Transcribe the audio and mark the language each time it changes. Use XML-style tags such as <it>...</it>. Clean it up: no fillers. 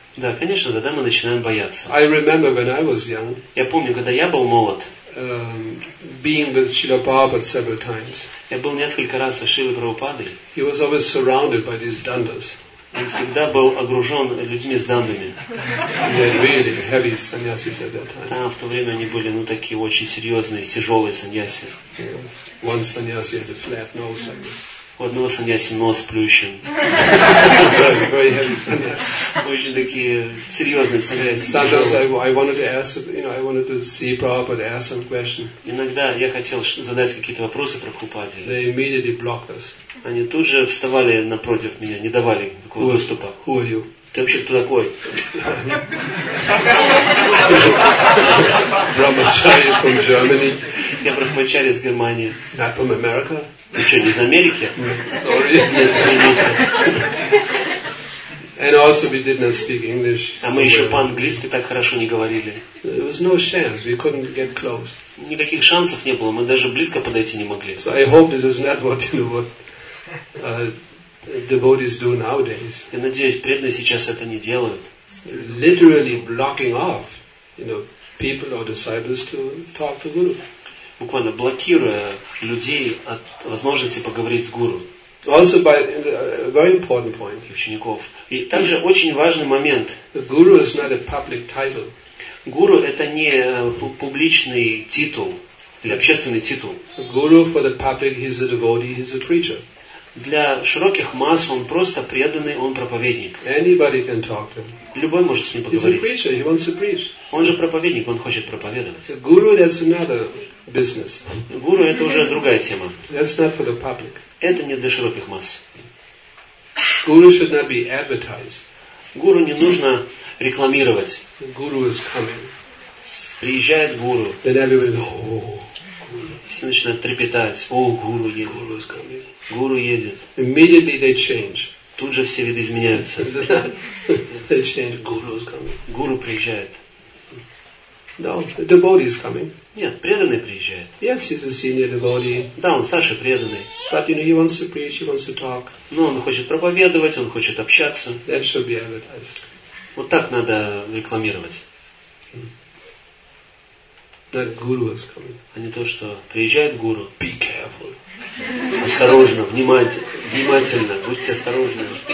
<ru>Да, конечно, тогда мы начинаем бояться.</ru> <en>I remember when I was young.</en> <ru>Я помню, когда я был молод.</ru> <en>Being with Srila Prabhupada several times.</en> <ru>Я был несколько раз со Шрилой Прабхупадой.</ru> <en>He was always surrounded by these dandas.</en> <ru>Он всегда был окружен людьми с дандами.</ru> <en>They were really heavy sannyasis at that time.</en> <ru>Там в то время они были, ну, такие очень серьезные, тяжелые сannyasis.</ru> <en>Yeah. One sannyasi had a flat nose.</en> <ru>У одного сannyasi нос плющен. Очень такие серьезные сannyasi. Иногда я хотел задать какие-то вопросы Прабхупаде. Они тут же вставали напротив меня, не давали такого выступа.</ru> <en>Who are you?</en> <ru>Ты вообще кто такой?</ru> <en>Brahmachari from Germany.</en> <ru>Я Брахмачари из Германии.</ru> <en>Not from America.</en> <ru>Ты что, не из Америки?</ru> <en>Sorry.</en> <ru>Нет, извините.</ru> <en>And also we did not speak English.</en> <ru>А мы еще по-английски так хорошо не говорили.</ru> <en>There was no chance. We couldn't get close.</en> <ru>Никаких шансов не было. Мы даже близко подойти не могли.</ru> <en>So I hope this is not what you know what devotees do nowadays.</en> <ru>Я надеюсь, преданные сейчас это не делают.</ru> <en>Literally blocking off, you know, people or disciples to talk to Guru.</en> <ru>Буквально блокируя людей от возможности поговорить с гуру.</ru> <en>Also by very important point.</en> <ru>Учеников. И также очень важный момент.</ru> <en>Guru is not a public title.</en> <ru>Гуру это не публичный титул или общественный титул.</ru> <en>Guru for the public, he's a devotee, he's a preacher.</en> <ru>Для широких масс он просто преданный, он проповедник.</ru> <en>Anybody can talk to him.</en> <ru>Любой может с ним поговорить.</ru> <en>He's a preacher, he wants to preach.</en> <ru>Он же проповедник, он хочет проповедовать.</ru> <en>Guru, that's another business.</en> <ru>Гуру это уже другая тема.</ru> <en>That's not for the public.</en> <ru>Это не для широких масс.</ru> <en>Guru should not be advertised.</en> <ru>Гуру не нужно рекламировать.</ru> <en>Guru is coming.</en> <ru>Приезжает гуру.</ru> <en>Then everybody goes, oh, guru.</en> <ru>Все начинают трепетать. О, гуру едет.</ru> <en>Guru is coming.</en> <ru>Гуру едет.</ru> <en>Immediately they change.</en> <ru>Тут же все виды изменяются.</ru> <en>They change. Guru is coming.</en> <ru>Гуру приезжает.</ru> <en>No, the devotee is coming.</en> <ru>Нет, преданный приезжает.</ru> <en>Yes, he's a senior devotee.</en> <ru>Да, он старший преданный.</ru> <en>But you know, he wants to preach, he wants to talk.</en> <ru>Но он хочет проповедовать, он хочет общаться.</ru> <en>That should be advertised.</en> <ru>Вот так надо рекламировать.</ru> <en>That guru is coming.</en> <ru>А не то, что приезжает гуру.</ru> <en>Be careful.</en> <ru>Осторожно, внимательно, будьте осторожны.</ru>